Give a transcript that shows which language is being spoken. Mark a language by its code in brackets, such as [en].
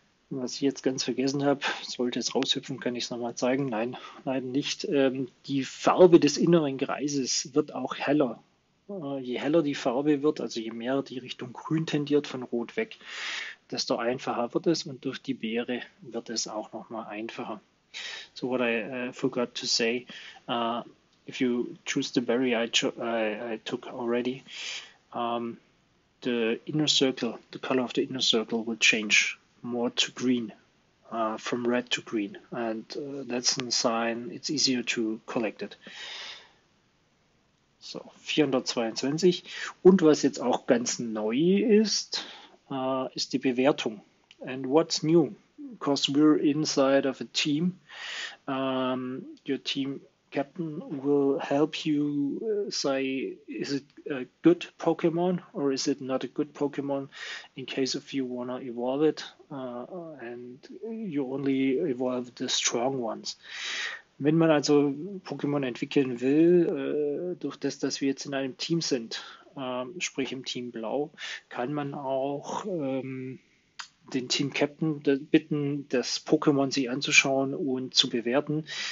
[de] Was ich jetzt ganz vergessen habe, sollte es raushüpfen, kann ich es nochmal zeigen. Nein, leider nicht. Die Farbe des inneren Kreises wird auch heller. Je heller die Farbe wird, also je mehr die Richtung grün tendiert von rot weg, desto einfacher wird es und durch die Beere wird es auch nochmal einfacher. [en] So, what I forgot to say, if you choose the berry I took already, the inner circle, the color of the inner circle will change more to green, from red to green. And that's a sign it's easier to collect it. [de] So, 422. Und was jetzt auch ganz neu ist, ist die Bewertung. [en] And what's new? Because we're inside of a team. Your team captain will help you say, is it a good Pokemon or is it not a good Pokemon in case if you wanna evolve it and you only evolve the strong ones. [de] Wenn man also Pokémon entwickeln will, durch das, dass wir jetzt in einem Team sind, sprich im Team Blau, kann man auch den Team Captain bitten, das Pokémon sich anzuschauen und zu bewerten.